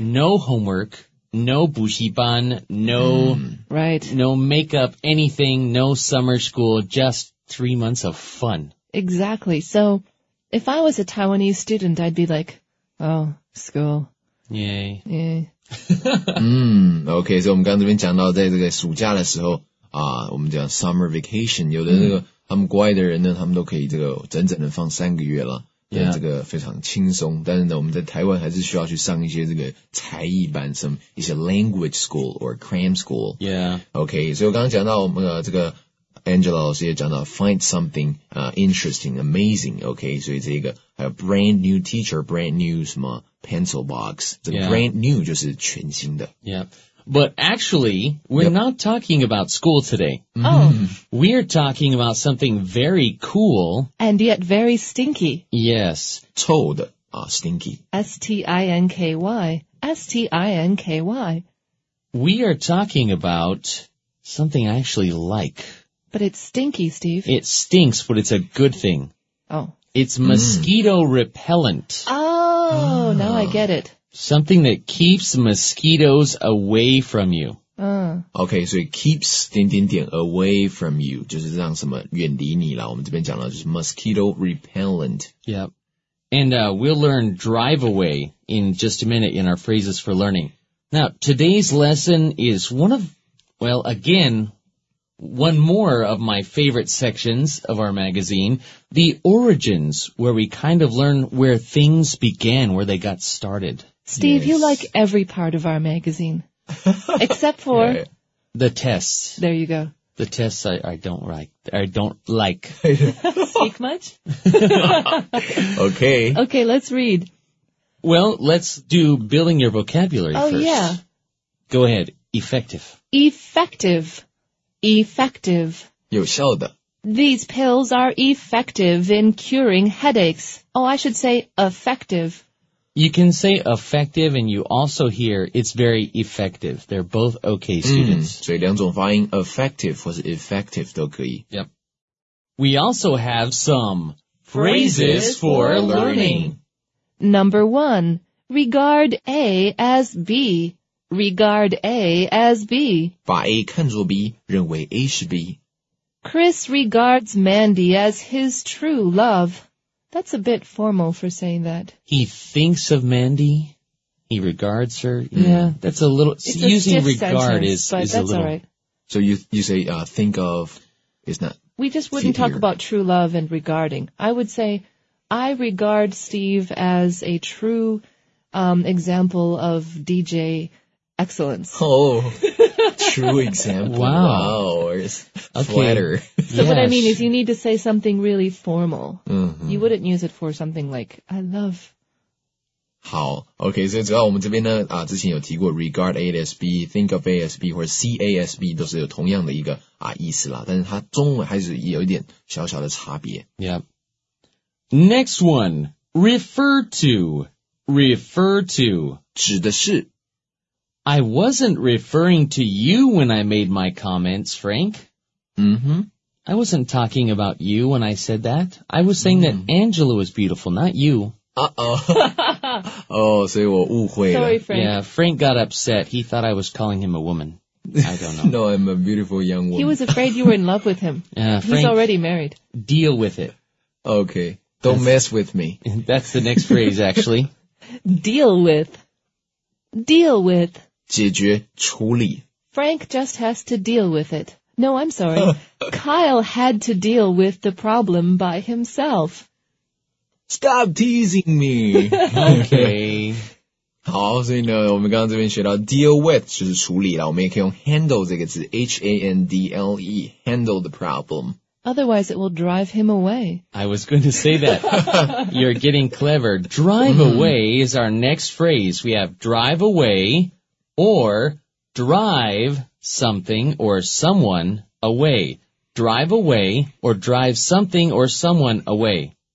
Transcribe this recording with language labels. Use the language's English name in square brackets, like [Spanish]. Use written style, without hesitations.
[English] No homework, no 补习班, no, right. no makeup, anything, no summer school, just 3 months of fun. Exactly. So if I was a Taiwanese student, I'd be like, oh, school. Yay. Yay. okay, so [Chinese] 我们刚这边讲到在这个暑假的时候。我们讲 [English] summer vacation, [Chinese] 有的这个、他们国外的人呢他们都可以这个整整的放3个月了、 [English] yeah. [Chinese] 这个非常轻松但是呢我们在台湾还是需要去上一些这个才艺班 [English] some, [Chinese] 一些 [English] language school or cram school. Yeah. Okay, [Chinese] 所以我刚刚讲到我们的这个 Angela 老师也讲到 [English] find something, interesting, amazing, okay, [Chinese] 所以这个还有 [English] brand new teacher, brand new [Chinese] 什么 [English] pencil box, [Chinese] 这个 brand new 就是全新的。 [English] Yeah. But actually, we're、yep. not talking about school today. Oh. We're talking about something very cool. And yet very stinky. Yes. [Chinese] 臭的、 [English] stinky. S-T-I-N-K-Y. S-T-I-N-K-Y. We are talking about something I actually like. But it's stinky, Steve. It stinks, but it's a good thing. Oh. It's mosquito repellent. Oh, now I get it. Something that keeps mosquitoes away from you. Okay, so it keeps [Chinese] 点点点 [English] away from you, [Chinese] 就是让什么远离你啦。我们这边讲了就是 [English] mosquito repellent. Yep. And, we'll learn drive away in just a minute in our phrases for learning. Now, today's lesson is one of, well, again, one more of my favorite sections of our magazine, the origins, where we kind of learn where things began, where they got started. Steve,、yes. you like every part of our magazine, except for the tests. There you go. The tests I don't like. I don't like. Speak much? okay. Okay, let's read. Well, let's do building your vocabulary first. Oh, yeah. Go ahead. Effective. Effective. Effective. [Chinese] 有效的 [English] These pills are effective in curing headaches. Oh, I should say effective. You can say effective, and you also hear it's very effective. They're both okay students.、 [Chinese] 所以两种发音 effective 或是 effective 都可以。 [English] Yep. We also have some phrases for learning. Number one, regard A as B. Regard A as B. [Chinese] 把 A 看作 B, 认为 A 是 B. [English] Chris regards Mandy as his true love. That's a bit formal for saying that. He thinks of Mandy. He regards her. Yeah. That's a little... It's using a stiff regard sentence, is, but is that's a little... all right. So you say, think of... It's not... We just wouldn't talk about true love and regarding. I would say, I regard Steve as a true example of DJ excellence. Oh, true example. Wow. Flatter. So what I mean is you need to say something really formal. Mm-hmm. You wouldn't use it for something like, I love. [Chinese] 好 [English] OK, [Chinese] 所以主要我们这边呢、之前有提过 [English] regard A as B, think of A as B, [Chinese] 或者 [English] C A as B [Chinese] 都是有同样的一个、意思啦。但是它中文还是有一点小小的差别。 [English] Yep. Next one, refer to. Refer to. [Chinese] 指的是 [English] I wasn't referring to you when I made my comments, Frank. Mm-hmm. I wasn't talking about you when I said that. I was saying that Angela was beautiful, not you. Uh-oh. oh, [Chinese] 所以我误会了。 [English] Sorry, Frank. Yeah, Frank got upset. He thought I was calling him a woman. I don't know. No, I'm a beautiful young woman. He was afraid you were in love with him. Frank, he's already married. Deal with it. Okay. Don't mess with me. That's the next phrase, actually. Deal with. Deal with. [Chinese] 解决处理. [English] Frank just has to deal with it. No, I'm sorry. Kyle had to deal with the problem by himself. Stop teasing me. Okay. [Chinese] 好，所以呢，我们刚刚这边学到 deal with 就是处理了，我们也可以用 handle 这个字 ， [English] handle handle the problem. Otherwise, it will drive him away. I was going to say that. You're getting clever. Drive away is our next phrase. We have drive away or drive something or someone away. Drive away or drive something or someone away.